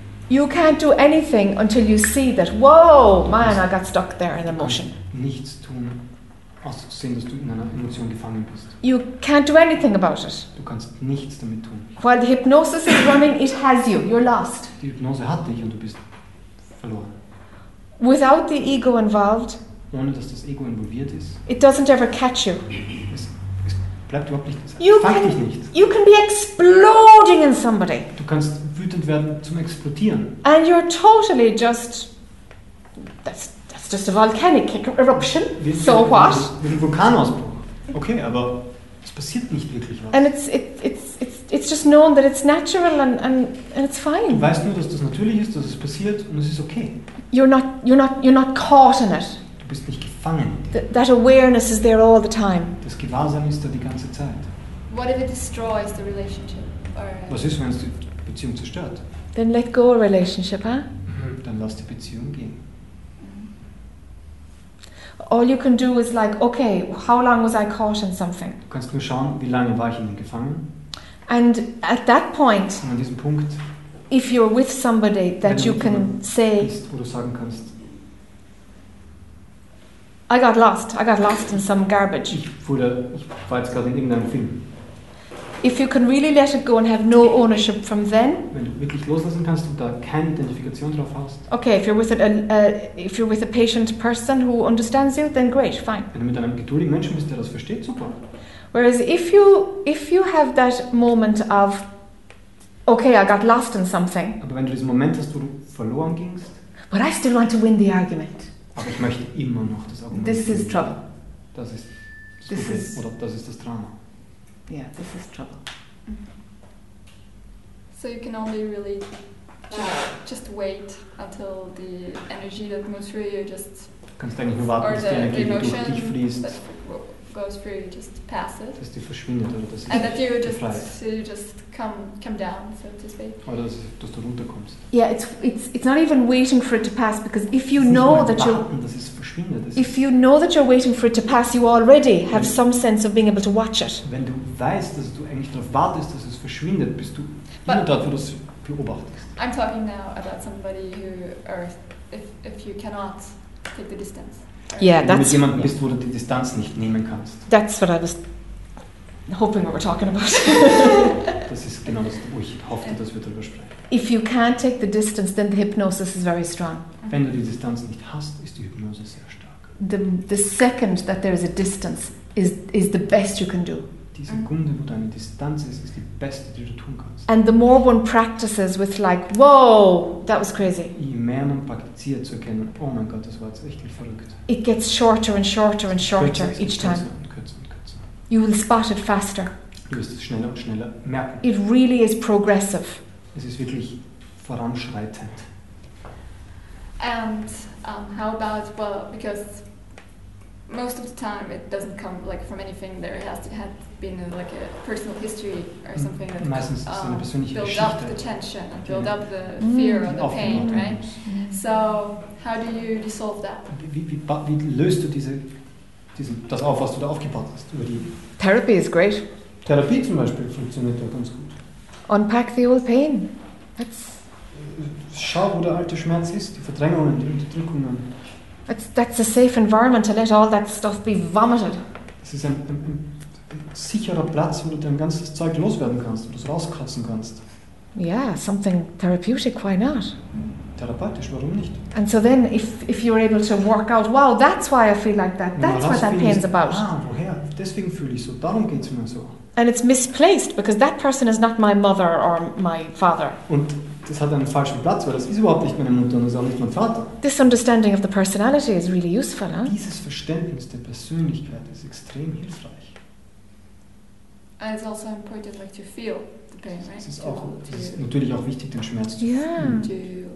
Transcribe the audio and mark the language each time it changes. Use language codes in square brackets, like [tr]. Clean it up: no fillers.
[en] You can't do anything until you see that. Whoa, man, I got stuck there in emotion. [de] Nichts tun, außer zu sehen, dass du in einer Emotion gefangen bist. [en] You can't do anything about it. [de] Du kannst nichts damit tun. [en] While the hypnosis is running, it has you. You're lost. [de] Die Hypnose hat dich und du bist verloren. [en] Without the ego involved, [de] ohne dass das Ego involviert ist, [en] it doesn't ever catch you. [de] Es bleibt überhaupt nicht. Fangt dich nicht. [en] You can be exploding in somebody. [de] Du kannst wütend werden zum Explodieren. [en] And you're totally just. That's just a volcanic eruption. So what? [de] Wie ein Vulkanausbruch. Okay, aber es passiert nicht wirklich was. [en] And it's just known that it's natural and it's fine. [de] Du weißt nur, dass das natürlich ist, dass es passiert und es ist okay. [en] You're not caught in it. [de] Du bist nicht gefangen. [en] That awareness is there all the time. [de] Das Gewahrsein ist da die ganze Zeit. [en] What if it destroys the relationship? [de] Was ist, wenn es die Beziehung zerstört? [en] Then let go of relationship, huh? [de] Dann lass die Beziehung gehen. [en] All you can do is like, okay, how long was I caught in something? [de] Du kannst nur schauen, wie lange war ich in ihm gefangen? [en] And at that point, [de] und an diesem Punkt, [en] if you're with somebody that you can say, [de] wo du sagen kannst, [en] I got lost in some garbage. [de] Ich war jetzt gerade in irgendeinem Film. [en] If you can really let it go and have no ownership from then, [de] wenn du wirklich loslassen kannst und da keine Identifikation drauf hast, [en] okay, if you're with a patient person who understands you, then great, fine. [de] Wenn du mit einem geduldigen Menschen bist, der das versteht, super. [en] Whereas if you have that moment of, okay, I got lost in something, [de] aber wenn du diesen Moment hast, wo du verloren gingst, [en] but I still want to win the argument, [de] aber ich möchte immer noch das Argument, [en] this is trouble. [de] Das ist das Problem, oder das ist das Drama. [en] Yeah, this is trouble. So you can only really just wait until the energy that moves through you just [de] kannst eigentlich nur warten, [en] or [de] dass die Energie, die durch dich fließt, [en] goes through you just passes. [de] Dass die verschwindet oder dass [en] and that you just come down, so to speak. [de] Oder dass du runterkommst. [en] Yeah, it's not even waiting for it to pass, because if you know that you're waiting for it to pass, you already have some sense of being able to watch it. [de] Wenn du weißt, dass du eigentlich darauf wartest, dass es verschwindet, bist du immer dort, wo du es beobachtest. [en] I'm talking now about somebody who, or if you cannot take the distance. Yeah, [de] wenn du mit jemandem bist, wo du die Distanz nicht nehmen kannst. [en] That's what I was hoping we were talking about. [de] Das ist genau das, wo ich hoffte, dass wir darüber sprechen. [en] If you can't take the distance, then the hypnosis is very strong. [de] Wenn du die Distanz nicht hast, ist die Hypnose sehr stark. [en] The second that there is a distance is the best you can do. [de] die Sekunde, wo deine Distanz ist, ist die beste, die du tun kannst. [en] And the more one practices with like, whoa, that was crazy. [de] Je mehr man praktiziert zu erkennen, oh mein Gott, das war jetzt echt verrückt. [en] It gets shorter and shorter and shorter each time. [de] Kürzer und kürzer und kürzer. [en] You will spot it faster. [de] Du wirst es schneller und schneller merken. [en] It really is progressive. [de] Es ist wirklich voranschreitend. [en] And how about, well, because most of the time it doesn't come like from anything there. It has to have been like a personal history or something that [de] meistens [en] could, [de] eine persönliche [en] build [de] Geschichte, [en] up the tension and build up the fear or the pain, right? Mm. So how do you dissolve that? [de] Wie löst du das auf, was du da aufgebaut hast? Über die [en] Therapy is great. [de] Therapie zum Beispiel funktioniert ja ganz gut. [en] Unpack the old pain. That's [de] schau, wo der alte Schmerz ist, die Verdrängungen, die Unterdrückungen. [en] That's a safe environment to let all that stuff be vomited. [de] Das ist ein sicherer Platz, wo du dein ganzes Zeug loswerden kannst, wo du es rauskratzen kannst. [en] Yeah, something therapeutic, why not? [de] Therapeutisch, warum nicht? [en] And so then, if you're able to work out, wow, that's why I feel like that, that's what that pain's about. [de] Ah, woher? Deswegen fühle ich so, darum geht's mir so. [en] And it's misplaced, because that person is not my mother or my father. [de] Und das hat einen falschen Platz, weil das ist überhaupt nicht meine Mutter und das ist auch nicht mein Vater. [en] This understanding of the personality is really useful, huh? [de] Dieses Verständnis der Persönlichkeit ist extrem hilfreich. [en] And it's also important like, to feel the pain, right? [de] Es ist auch, es ist natürlich auch wichtig, den Schmerz zu fühlen.